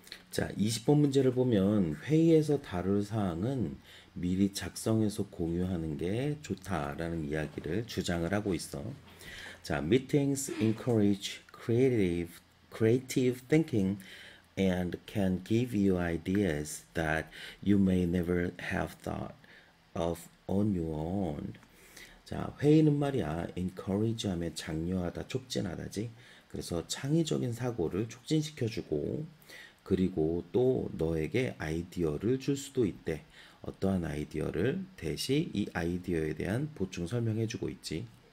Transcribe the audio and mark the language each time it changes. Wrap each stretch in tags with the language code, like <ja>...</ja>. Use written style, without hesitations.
<ko>자, 20번 문제를 보면 회의에서 다룰 사항은 미리 작성해서 공유하는 게 좋다라는 이야기를 주장을 하고 있어.</ko> <en>자, meetings encourage creative thinking and can give you ideas that you may never have thought of on your own.</en> <ko>자, 회의는 말이야, encourage 하면 장려하다, 촉진하다지. 그래서 창의적인 사고를 촉진시켜주고, 그리고 또 너에게 아이디어를 줄 수도 있대. 어떠한 아이디어를 대신 이 아이디어에 대한 보충 설명해주고 있지.</ko>